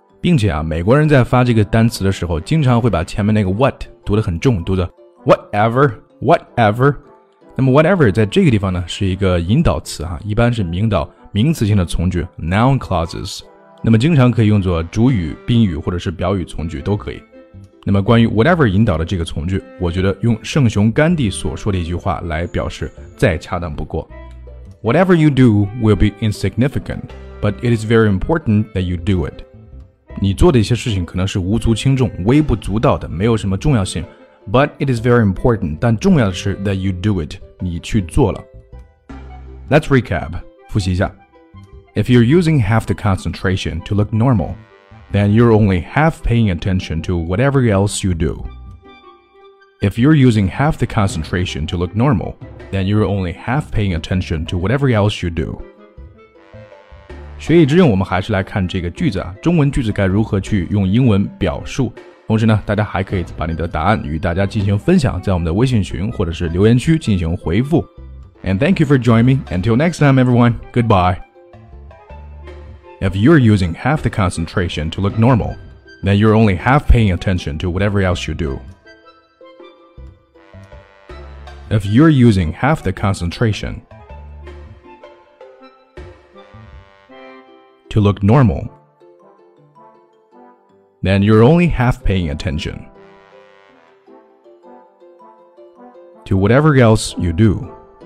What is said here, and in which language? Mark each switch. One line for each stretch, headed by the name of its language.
Chinese: 并且啊，美国人在发这个单词的时候经常会把前面那个 what 读得很重读得 whatever, 那么 whatever 在这个地方呢是一个引导词哈，一般是名导名词性的从句 noun clauses, 那么经常可以用作主语宾语或者是表语从句都可以。那么关于 whatever 引导的这个从句我觉得用圣雄甘地所说的一句话来表示再恰当不过。
English: Whatever you do will be insignificant, but it is very important that you do it.
Chinese: 你做的一些事情可能是无足轻重微不足道的没有什么重要性。
English: But it is very important,
Chinese: 但重要的是
English: that you do it,
Chinese: 你去做了。
English: Let's recap,
Chinese: 复习一下。
English: If you're using half the concentration to look normal, then you're only half paying attention to whatever else you do. If you're using half the concentration to look normal, then you're only half paying attention to whatever else you do.
Chinese: 学以致用我们还是来看这个句子啊，中文句子该如何去用英文表述。同时呢大家还可以把你的答案与大家进行分享在我们的微信群或者是留言区进行回复。
English: And thank you for joining me. Until next time, everyone. Goodbye. If you're using half the concentration to look normal, then you're only half paying attention to whatever else you do. If you're using half the concentration to look normal,then you're only half paying attention to whatever else you do.